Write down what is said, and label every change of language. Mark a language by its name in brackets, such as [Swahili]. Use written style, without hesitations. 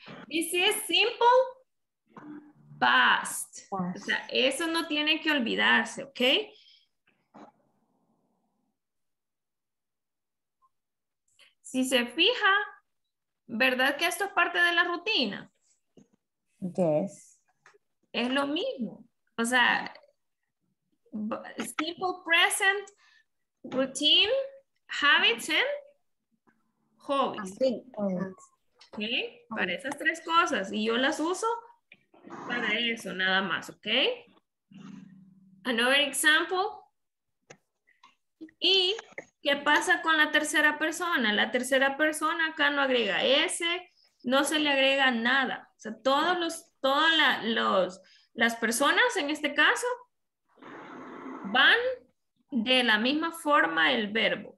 [English] This is simple. Past. [Spanish] O sea, eso no tiene que olvidarse, ¿ok? Si se fija, ¿verdad que esto es parte de la rutina? [English] Yes. [Spanish] Es lo mismo. O sea, [English] simple present, routine, habits and hobbies. [Spanish] ¿Ok? Para esas tres cosas. Y yo las uso para eso, nada más, ¿ok? [English] Another example. [Spanish] ¿Y qué pasa con la tercera persona? La tercera persona acá no agrega S, no se le agrega nada. O sea, todas las personas en este caso van de la misma forma el verbo.